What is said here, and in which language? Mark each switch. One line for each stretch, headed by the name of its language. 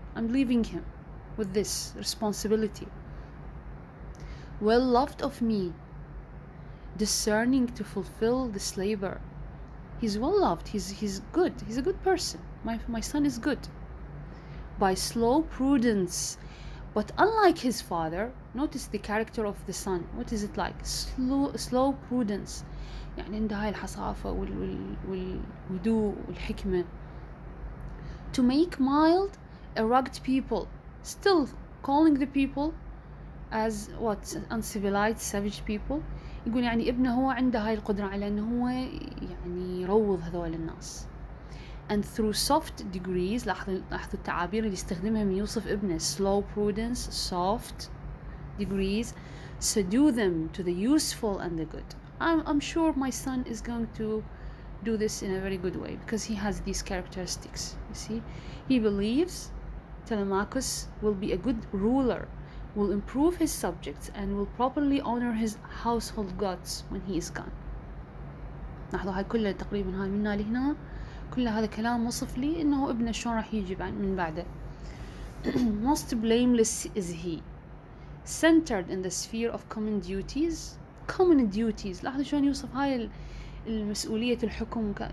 English: I'm leaving him with this responsibility. Well loved of me, discerning to fulfill this labor. He's well loved. He's good. He's a good person. My son is good. By slow prudence, but unlike his father, notice the character of the son. What is it like? Slow prudence.
Arabic: يعني عنده هاي الحصافة والهدوء والحكمة.
English: To make mild a rugged people, still calling the people as what? Uncivilized, savage people.
Arabic: يقول يعني ابنه هو عنده هاي القدرة على انه هو يعني يروض هذول الناس.
English: And through soft degrees,
Arabic: لاحظوا التعابير اللي يستخدمها من يوصف ابنه.
English: Slow prudence, soft degrees, subdue them to the useful and the good. I'm sure my son is going to do this in a very good way because he has these characteristics. You see, he believes Telemachus will be a good ruler, will improve his subjects, and will properly honor his household gods when he is gone.
Arabic: لاحظوا هاي كلها تقريبا هاي من هنا، كل هذا كلام وصف لي انه ابنه شلون راح يجي من بعده.
English: Most blameless is he, centered in the sphere of common duties. Common duties.
Arabic: لاحظوا شلون يوصف هاي المسؤولية الحكم.